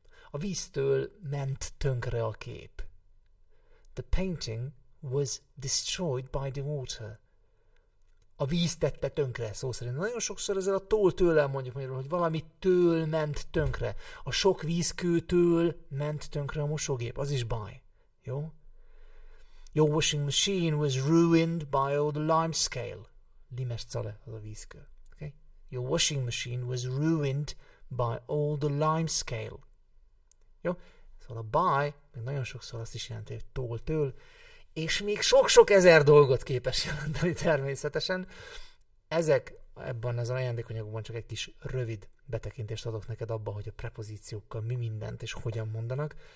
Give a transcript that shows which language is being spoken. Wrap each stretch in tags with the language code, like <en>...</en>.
<hu>A víztől ment tönkre a kép.</hu> <en>The painting was destroyed by the water.</en> <hu>A víz tette tönkre, szó szerint. Nagyon sokszor ezzel a toltől elmondjuk magyarul, hogy valami től ment tönkre. A sok vízkőtől ment tönkre a mosógép. Az is baj. Jó?</hu> <en>Your washing machine was ruined by all the limescale. Limes cale,</en> <hu>az a vízkő.</hu> <en>Okay? Your washing machine was ruined by all the limescale.</en> <hu>Jó? Szóval a baj, meg nagyon sokszor azt is jelenti, hogy toltől. És még sok-sok ezer dolgot képes jelenteni természetesen. Ezek ebben az ajándékanyagban csak egy kis rövid betekintést adok neked abba, hogy a prepozíciókkal mi mindent és hogyan mondanak.</hu>